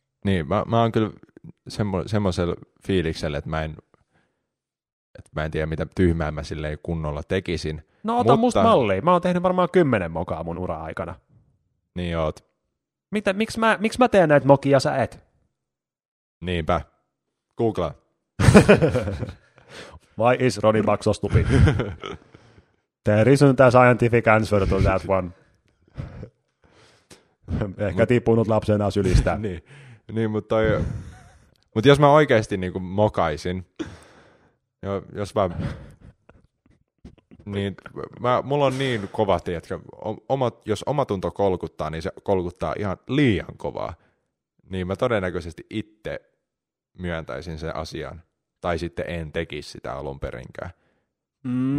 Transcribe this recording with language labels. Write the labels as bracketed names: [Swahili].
[Finnish] Niin, mä oon kyllä semmoisella fiiliksellä, että mä en... että mä en tiedä, mitä tyhmää mä silleen kunnolla tekisin. No ota musta mallia. Mä oon tehnyt varmaan 10 mokaa mun ura-aikana. Niin oot. Mitä, miksi mä teen näitä mokia, sä et? Niinpä. Googlaa. [English] Why is Ronnie Bucks so stupid? There isn't a scientific answer to that one. [Finnish] Ehkä tippunut lapsena sylistä. Niin. Niin, mutta mut jos mä oikeesti niinku mokaisin, jos mä, niin mä, mulla on niin kova, että jos omatunto kolkuttaa, niin se kolkuttaa ihan liian kovaa, niin mä todennäköisesti itse myöntäisin sen asian, tai sitten en tekisi sitä alun perinkään. Mm.